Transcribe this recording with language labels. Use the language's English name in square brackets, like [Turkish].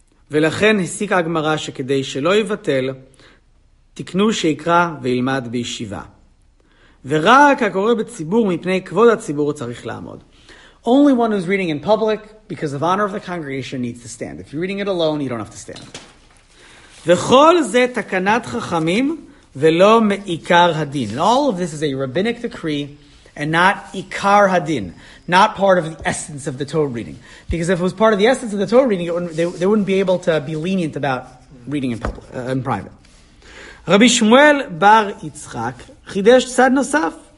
[Hebrew] ולכן הסיק הגמרא שכדי שלא יבטל, תקנו שיקרא וילמד בישיבה. ורק הקורא בציבור מפני כבוד הציבור צריך לעמוד. [English] Only one who's reading in public, because of honor of the congregation, needs to stand. If you're reading it alone, you don't have to stand. [Hebrew] וכל זה תקנת חכמים ולא מעיקר הדין. [English] And all of this is a rabbinic decree and not עיקר הדין. Not part of the essence of the Torah reading. Because if it was part of the essence of the Torah reading, they wouldn't be able to be lenient about reading in public, in private. [Hebrew] Rabbi Shmuel Bar Yitzchak, Chidesh Tzad Nosaf.